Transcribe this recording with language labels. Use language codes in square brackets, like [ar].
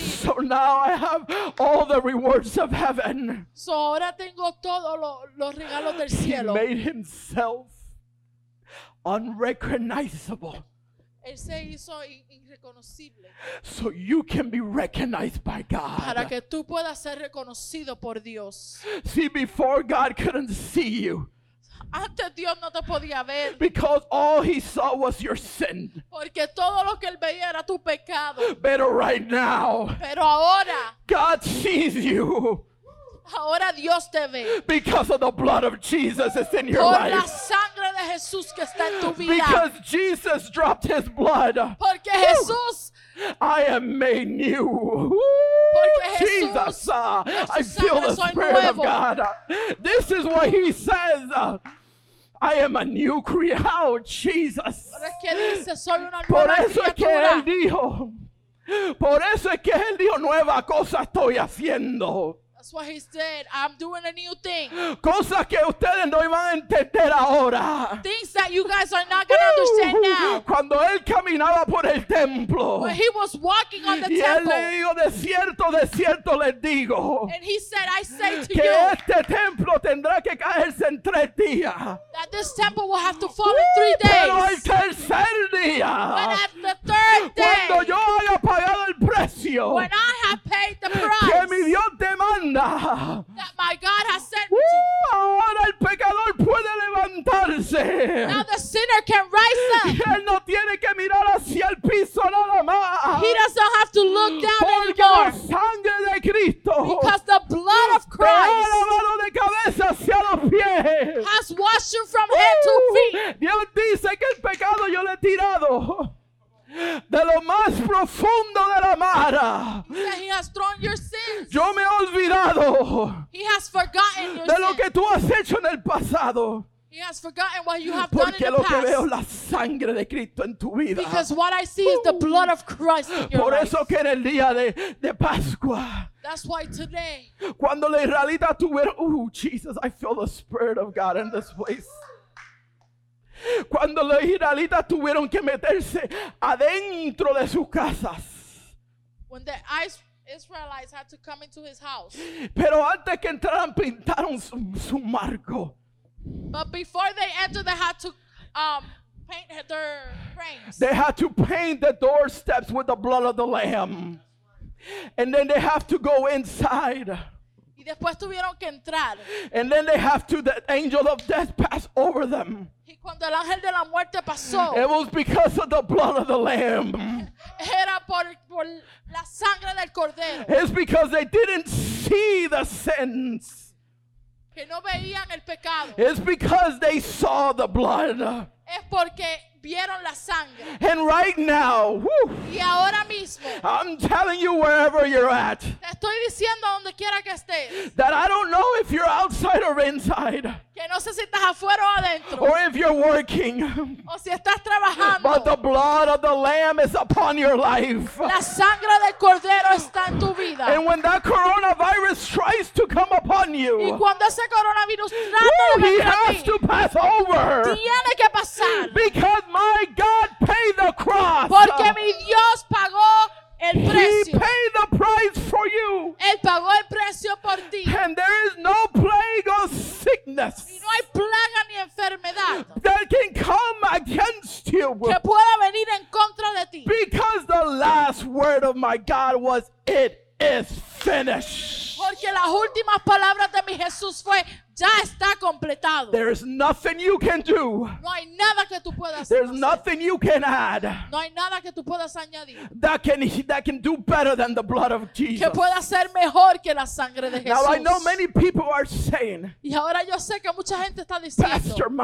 [en] So now I have all the rewards of heaven. [es] So ahora tengo todos los regalos del cielo. [en] He made himself unrecognizable. [es] Él se hizo irreconocible. [en] So you can be recognized by God. [es] Para que tú puedas ser reconocido por Dios. [en] See, before God couldn't see you. [es] Antes Dios no te podía ver. [en] Because all he saw was your sin. [es] Porque todo lo que él veía era tu pecado. [en] But right now. [es] Pero ahora. [en] God sees you. [es] Ahora Dios te ve. [en] Because of the blood of Jesus is in [es] por [en] your [es] la [en] life. [es] Sangre de Jesús que está en tu vida. [en] Because Jesus dropped his blood. [es] Porque woo. Jesús. [en] I am made new. Jesus, I feel the Spirit of God. This is what he says. I am a new creature, Jesus. [es] Por eso es que él dijo. Por eso es que él dijo, nueva cosa estoy haciendo. [en] That's what he said. I'm doing a new thing. [es] Cosas que ustedes no iban a entender ahora. [en] Things that you guys are not going to understand now. [es] Cuando él caminaba por el templo. [en] When he was walking on the temple. [es] Y él le dijo, de cierto les digo. [en] And he said, I say to [es] que [en] you. [es] Que este templo tendrá que caerse en tres días. [en] That this temple will have to fall in 3 days. [es] Pero el tercer día. [en] But at the third day. [es] Cuando yo haya pagado el precio. [en] When I have paid the price. [es] Que mi Dios te [en] that my God has sent me to. [es] Ahora el pecador puede levantarse. [en] Now the sinner can rise up. [es] Él no tiene que mirar hacia el piso nada más. [en] He does not have to look down [es] porque [en] anymore. [es] La sangre de Cristo. [en] Because the blood of Christ. [es] Ha lavado de cabeza hacia los pies. [en] Has washed you from head to feet. [es] Dios dice que el pecado yo le he tirado. De lo más profundo de la mar. [en] He has thrown your sins. [es] Yo me he olvidado. [en] He has forgotten your [es] de lo [en] sin. [es] Que tú has hecho en el pasado. [en] He has forgotten what you have [es] porque [en] done in the [es] lo [en] past. [es] Que veo la sangre de Cristo en tu vida. [en] Because what I see is the blood of Christ in your [es] por eso [en] life. [es] Que en el día de Pascua. [en] That's why today. [es] Cuando la Israelita tuvieron, [en] Jesus, I feel the Spirit of God in this place. [es] Cuando los israelitas tuvieron que meterse adentro de sus casas. [en] When the Israelites had to come into his house. [es] Pero antes que entraran pintaron su marco. [en] But before they entered they had to paint their frames. They had to paint the doorsteps with the blood of the lamb. And then they have to go inside. [es] Y después tuvieron que entrar. [en] And then they have to the angel of death pass over them. [es] Cuando el ángel de la muerte pasó. [en] It was because of the blood of the lamb. [es] Era por la sangre del cordero. [en] It's because they didn't see the sins. [es] Que no veían el pecado. [en] It's because they saw the blood. [es] Es porque vieron la sangre. [en] And right now, [es] y ahora mismo, [en] I'm telling you wherever you're at, [es] te estoy diciendo donde quiera que estés, [en] that I don't know if you're outside or inside, [es] que no sé si estás afuera o adentro, [en] or if you're working, [es] o si estás trabajando, [en] but the blood of the Lamb is upon your life. [es] La sangre del cordero está en tu vida. [en] And when that coronavirus tries to come upon you, [es] y cuando ese coronavirus trata de venir [en] he has [es] a ti, [en] to pass over. [es] Tiene que pasar. [en] Because my God paid the cross. [es] Porque mi Dios pagó el precio. [en] He paid the price for you. [es] Él pagó el precio por ti. [en] And there is no plague or sickness. [es] Y no hay plaga ni enfermedad. [en] That can come against you. [es] Que pueda venir en contra de ti. [en] Because the last word of my God was, it is finished. [es] Porque las últimas palabras de mi Jesús fue, ya está completado. [en] There is nothing you can do. [es] No hay nada que tú puedas hacer. [en] There's nothing you can add. [es] No hay nada que tú puedas añadir. [en] That can do better than the blood of Jesus. [es] Que pueda ser mejor que la sangre de Jesús. [en] Now I know many people are saying. [es] Y ahora yo sé que mucha gente está diciendo.